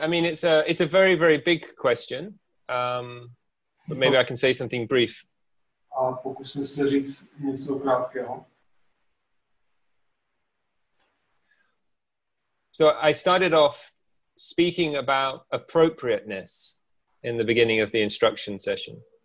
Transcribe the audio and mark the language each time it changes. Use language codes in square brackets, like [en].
[en] I mean, it's a very, very big question, but maybe I can say something brief. [cs] A pokusím se říct něco krátkého. [en] So I started off speaking about appropriateness in the beginning of the instruction session.